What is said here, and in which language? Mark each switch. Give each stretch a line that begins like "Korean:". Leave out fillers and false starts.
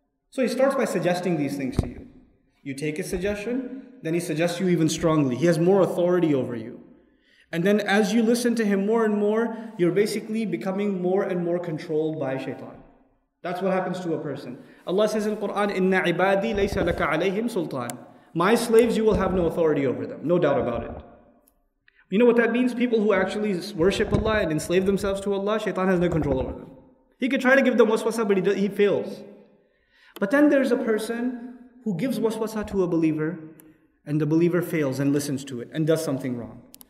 English: So he starts by suggesting these things to you. You take his suggestion, then he suggests you even strongly. He has more authority over you. And then as you listen to him more and more, you're basically becoming more and more controlled by shaitan. That's what happens to a person. Allah says in Quran,
Arabic: إِنَّ عِبَادِي لَيْسَ لَكَ عَلَيْهِمْ سُلْطَانٍ.
English: My slaves, you will have no authority over them. No doubt about it. You know what that means? People who actually worship Allah and enslave themselves to Allah, shaitan has no control over them. He could try to give them waswasa, but he fails. But then there's a person who gives waswasa to a believer, and the believer fails and listens to it and does something wrong.